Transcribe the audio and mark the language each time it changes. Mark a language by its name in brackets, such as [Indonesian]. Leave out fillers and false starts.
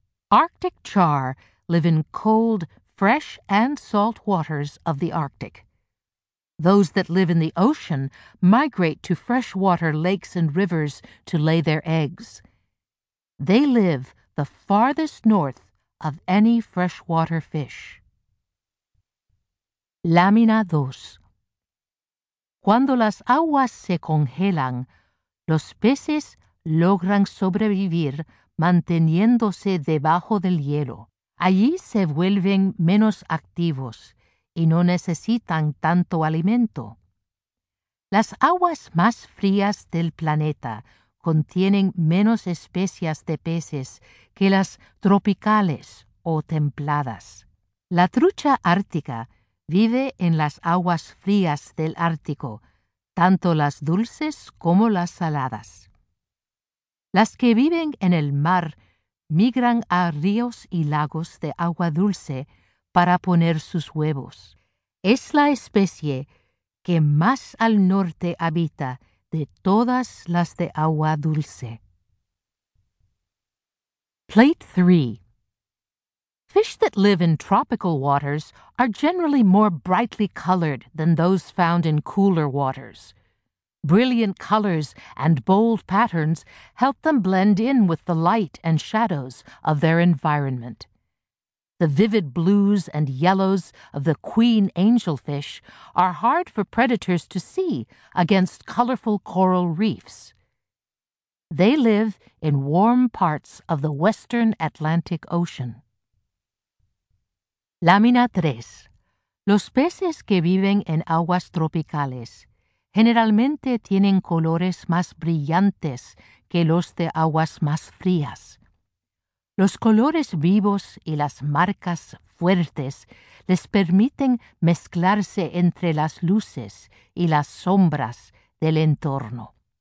[English] Arctic char live in cold, fresh, and salt waters of the Arctic. Those that live in the ocean migrate to freshwater lakes and rivers to lay their eggs. They live the farthest north of any freshwater fish. [Spanish] Lámina 2. Cuando las aguas se congelan, los peces logran sobrevivir manteniéndose debajo del hielo. Allí se vuelven menos activos y no necesitan tanto alimento. Las aguas más frías del planeta contienen menos especies de peces que las tropicales o templadas. La trucha ártica vive en las aguas frías del Ártico, tanto las dulces como las saladas. Las que viven en el mar migran a ríos y lagos de agua dulce para poner sus huevos. Es la especie que más al norte habita de todas las de agua dulce. [English] Plate 3. Fish that live in tropical waters are generally more brightly colored than those found in cooler waters. Brilliant colors and bold patterns help them blend in with the light and shadows of their environment. The vivid blues and yellows of the queen angelfish are hard for predators to see against colorful coral reefs. They live in warm parts of the western Atlantic Ocean. [Spanish] Lámina 3. Los peces que viven en aguas tropicales generalmente tienen colores más brillantes que los de aguas más frías. Los colores vivos y las marcas fuertes les permiten mezclarse entre las luces y las sombras del entorno.